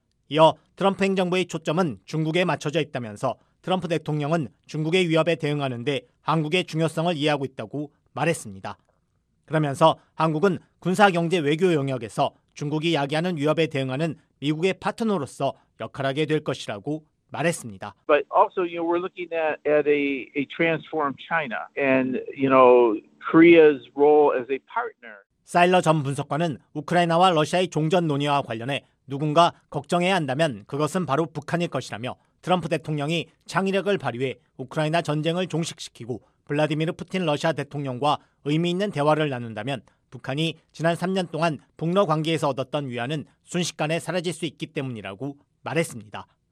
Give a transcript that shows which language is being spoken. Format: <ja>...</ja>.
<ko>이어 트럼프 행정부의 초점은 중국에 맞춰져 있다면서 트럼프 대통령은 중국의 위협에 대응하는 데 한국의 중요성을 이해하고 있다고 말했습니다. 그러면서 한국은 군사 경제 외교 영역에서 중국이 야기하는 위협에 대응하는 미국의 파트너로서 역할하게 될 것이라고 말했습니다.</ko> <en>But also, you know, we're looking at a transformed China and, you know, Korea's role as a partner.</en> <ko>사일러 전 분석관은 우크라이나와 러시아의 종전 논의와 관련해 누군가 걱정해야 한다면 그것은 바로 북한일 것이라며 트럼프 대통령이 창의력을 발휘해 우크라이나 전쟁을 종식시키고 블라디미르 푸틴 러시아 대통령과 의미 있는 대화를 나눈다면 북한이 지난 3년 동안 북러 관계에서 얻었던 위안은 순식간에 사라질 수 있기 때문이라고 말했습니다.</ko>